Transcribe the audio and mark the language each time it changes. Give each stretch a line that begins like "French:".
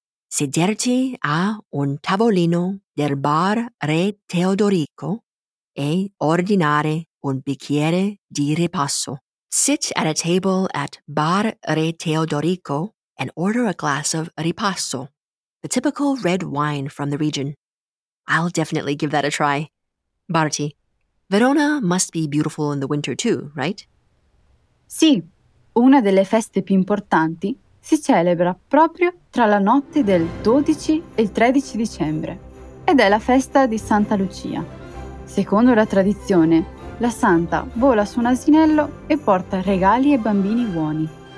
Italian: Sederti a un tavolino del bar Re Teodorico e ordinare un bicchiere di ripasso.
English: Sit at a table at Bar Re Teodorico and order a glass of ripasso, the typical red wine from the region. I'll definitely give that a try. Barti, Verona must be beautiful in the winter too, right?
Italian: Sì, una delle feste più importanti si celebra proprio tra la notte del 12 e il 13 dicembre ed è la festa di Santa Lucia. Secondo la tradizione, la santa vola su un asinello e porta regali ai bambini buoni.